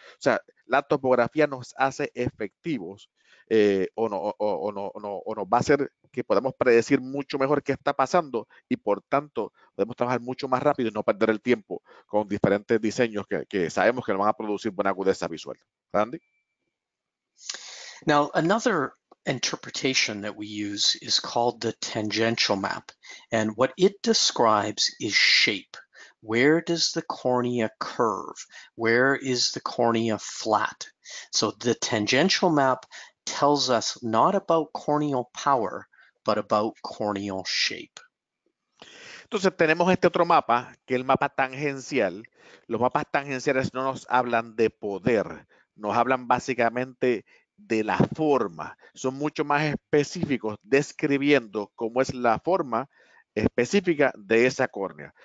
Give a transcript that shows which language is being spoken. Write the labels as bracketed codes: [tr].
[es] O sea, la topografía nos hace efectivos o nos va a hacer que podamos predecir mucho mejor qué está pasando y por tanto podemos trabajar mucho más rápido y no perder el tiempo con diferentes diseños que sabemos que nos van a producir buena agudeza visual. Randy. [en] Now, another interpretation that we use is called the tangential map, and what it describes is shape. Where does the cornea curve? Where is the cornea flat? So the tangential map tells us not about corneal power, but about corneal shape. [es] Entonces tenemos este otro mapa, que es el mapa tangencial. Los mapas tangenciales no nos hablan de poder, nos hablan básicamente de la forma. Son mucho más específicos describiendo cómo es la forma específica de esa córnea.